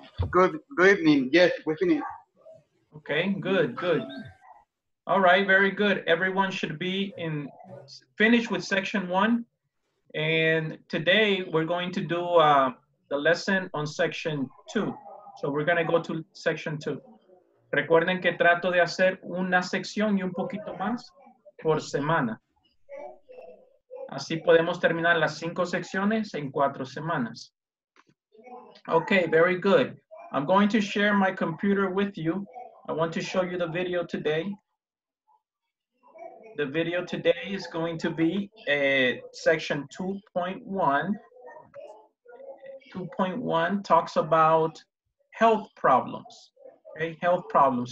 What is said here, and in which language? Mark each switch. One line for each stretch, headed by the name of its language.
English: Good evening. Yes, we're finished. Okay, good, good. All right, very good. Everyone should be finished with section one. And today we're going to do the lesson on section two. So we're gonna go to section two.
Spanish: Recuerden que trato de hacer una sección y un poquito más por semana. Así podemos terminar las cinco secciones en cuatro semanas.
English: Okay, very good. I'm going to share my computer with you. I want to show you the video today. The video today is going to be a section 2.1 talks about health problems, okay? Health problems.